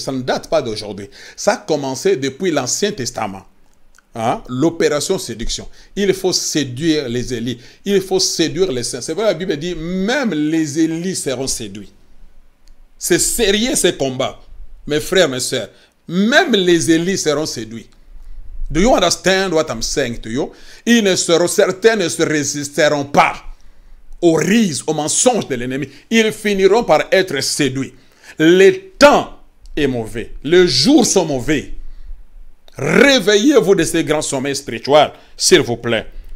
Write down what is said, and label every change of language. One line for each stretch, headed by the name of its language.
French: Ça ne date pas d'aujourd'hui. Ça a commencé depuis l'Ancien Testament. Hein? L'opération séduction. Il faut séduire les élus. Il faut séduire les saints. C'est vrai, la Bible dit, même les élus seront séduits. C'est sérieux ce combat. Mes frères, mes soeurs, même les élus seront séduits.
English: Do you understand what I'm saying to you?
French: Certains ne se résisteront pas aux rises, aux mensonges de l'ennemi. Ils finiront par être séduits. Le temps est mauvais. Les jours sont mauvais. Réveillez-vous de ces grands sommeils spirituels, s'il vous plaît.